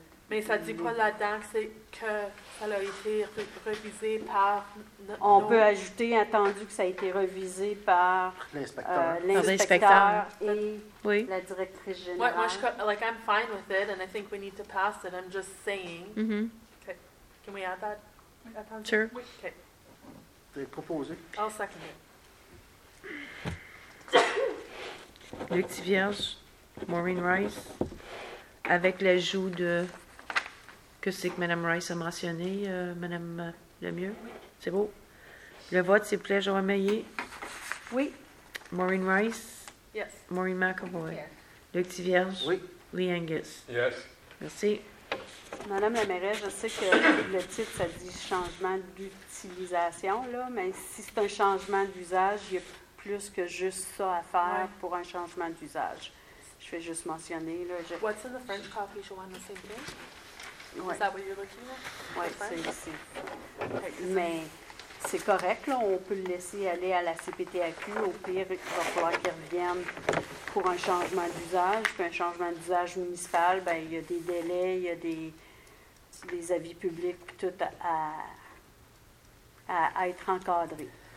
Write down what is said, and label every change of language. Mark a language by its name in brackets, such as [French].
[French] Mais ça dit pas là-dedans que c'est que ça a été revisé par. On peut ajouter, attendu que ça a été revisé par l'inspecteur et oui. la directrice générale. [English] Moi, like I'm fine with it, and I think we need to pass it. I'm just saying. Mm-hmm. Okay. Can we add that? Attendu? Sure. [French] Oui. Okay. T'es proposé. [English] I'll second it. Luc Tivierge. [French] Maureen Rice, avec l'ajout de que c'est que Mme Rice a mentionné, Mme Lemieux. Oui. C'est beau. Le vote, s'il vous plaît, Joanne Meillet. Oui. Maureen Rice. [English] Yes. Maureen McAvoy. Yes. Luc Tivierge. [French] Oui. Lee Angus. [English] Yes. [French] Merci. Madame la mairesse, je sais que le titre, ça dit changement d'utilisation, là, mais si c'est un changement d'usage, il y a plus que juste ça à faire ouais. pour un changement d'usage. Je vais juste mentionner. Là, je... [English] What's in the French coffee, Joanne, the same thing? [French] Ouais. [English] Is that what you're looking at? [French] Oui, c'est ici. [English] Okay, [French] mais c'est correct, là, on peut le laisser aller à la CPTAQ. Au pire, il va falloir qu'ils reviennent pour un changement d'usage. Puis un changement d'usage municipal, ben, il y a des délais, il y a des avis publics, tout à être encadré.